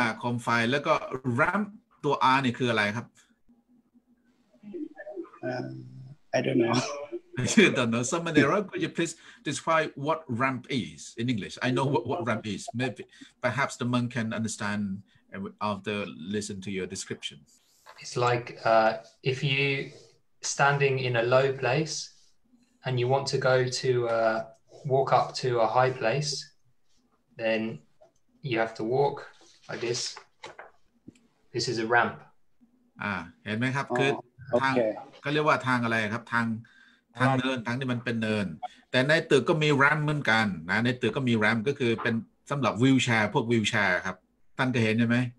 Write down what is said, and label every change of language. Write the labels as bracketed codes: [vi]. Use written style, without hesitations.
[th] โคมไฟแล้วก็ lamp ตัว R นี่คืออะไรครับ [en] I don't know I don't know. Samanera, could you please describe what ramp is in English? I know what ramp is. Maybe, perhaps the monk can understand after listen to your description. It's like if you standing in a low place and you want to go to walk up to a high place, then you have to walk like this. This is a ramp. [th] เห็นไหมครับคือทางก็เรียกว่าทางอะไรครับทางเดินทางที่มันเป็นเนินแต่ในตึกก็มีแรมเหมือนกันนะในตึกก็มีแรมก็คือเป็นสำหรับวีลแชร์พวกวีลแชร์ครับท่านเคยเห็นใช่ไหม